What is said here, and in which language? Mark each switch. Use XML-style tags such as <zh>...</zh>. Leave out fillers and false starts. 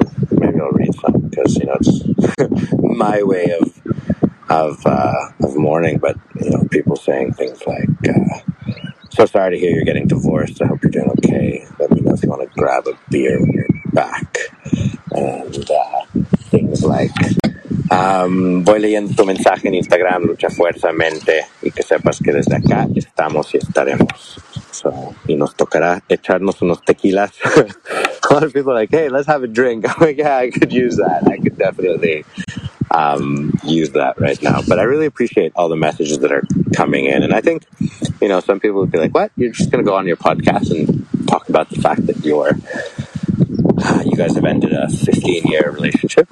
<en>Maybe I'll read some, because, you know, it's my way of mourning. But, you know, people saying things like, so sorry to hear you're getting divorced. I hope you're doing okay. Let me know if you want to grab a beer when you're back. And things like,</en> <es>voy leyendo tu mensaje en Instagram, lucha fuertemente, y que sepas que desde acá estamos y estaremos. So, y nos tocará echarnos unos tequilas.</es> <en>A lot of people are like, hey, let's have a drink. I'm like, yeah, I could use that. I could definitely use that right now. But I really appreciate all the messages that are coming in. And I think, you know, some people would be like, what? You're just going to go on your podcast and talk about the fact that you guys have ended a 15-year relationship.</en>